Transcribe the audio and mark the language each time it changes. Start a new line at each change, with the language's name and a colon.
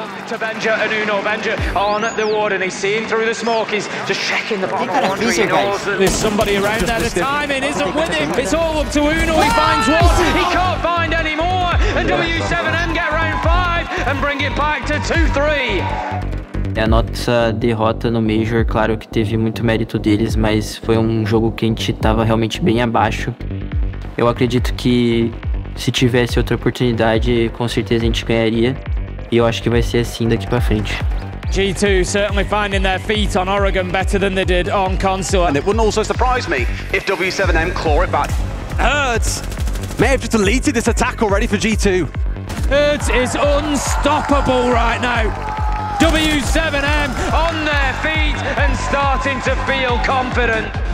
English: To Benja and Uno. Benja on at the warden. He's seeing through the smoke. He's just checking the bottom. He's got a visa, guys. There's somebody around there. The timing isn't with him. It's all up to Uno. He finds one. He can't find any more. And W7M get round five and bring it back to 2-3.
Portuguese: A nossa derrota no Major, claro que teve muito mérito deles, mas foi um jogo que a gente estava realmente bem abaixo. Eu acredito que se tivesse outra oportunidade, com certeza a gente ganharia. E eu acho que vai ser assim daqui pra frente.
English: G2 certainly finding their feet on Oregon better than they did on console. And it wouldn't also surprise me if W7M claw it back. Hurts may have just deleted this attack already for G2. Hurts is unstoppable right now. W7M on their feet and starting to feel confident.